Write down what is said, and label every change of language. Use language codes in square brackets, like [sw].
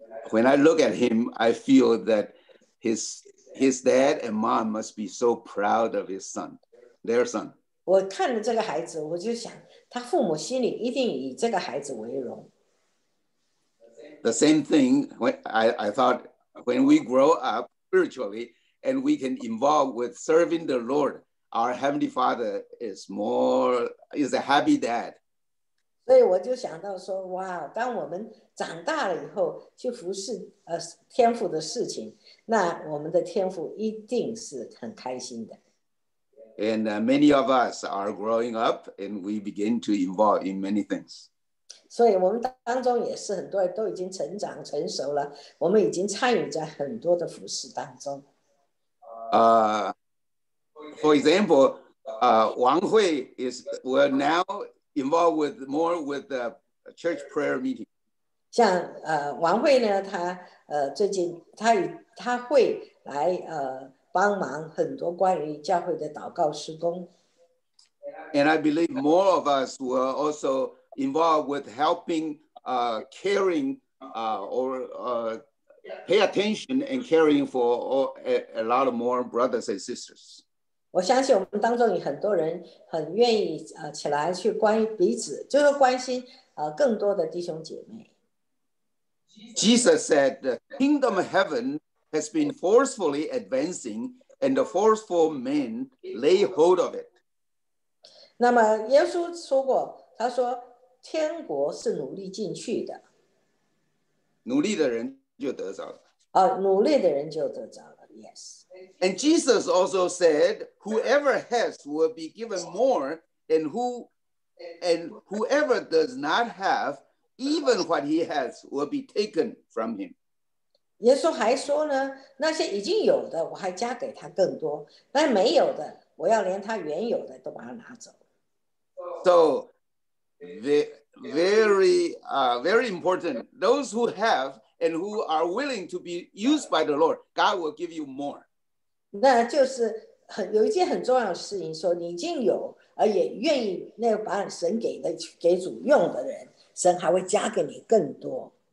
[en] When I look at him I feel that his dad and mom must be so proud of his sonTheir son. [zh] 我看了这个孩子，我就想，他父母心里一定以这个孩子为荣。 [en] The same thing I thought when we grow up spiritually and we can involve with serving the Lord, our Heavenly Father is a happy dad. [zh] 所以我就想到说，哇，当我们长大了以后去服侍天父的事情，那我们的天父一定是很开心的。 [en] And many of us are growing up and we begin to involve in many things. [zh] 所以我们当中也是很多人都已经成长成熟了我们已经参与在很多的服事当中。 [en] For example, Wang Hui will now involve more with the church prayer meeting. [zh] 像Wang Hui呢他最近他会来帮忙很多关于教会的祷告施工。 [en] And I believe more of us were also involved with helping, caring, or pay attention and caring for a lot of more brothers and sisters. [zh] 我相信我们当中有很多人很愿意起来去关于彼此，就是关心更多的弟兄姐妹。 [en] Jesus said, "The kingdom of heaven has been forcefully advancing, and the forceful men lay hold of it." [zh] 那么耶稣说过，他说天国是努力进去的，努力的人就得着了。努力的人就得着了。Yes. [en] And Jesus also said, whoever has will be given more, and whoever does not have, even what he has will be taken from him. [zh] 耶稣还说呢，那些已经有的我还加给他更多，但没有的我要连他原有的都把他拿走。 [en] So, very, very important. Those who have and who are willing to be used by the Lord, God will give you more. [zh] 那就是很有一件很重要的事情，说你已经有，而也愿意那个把神给的给主用的人，神还会加给你更多。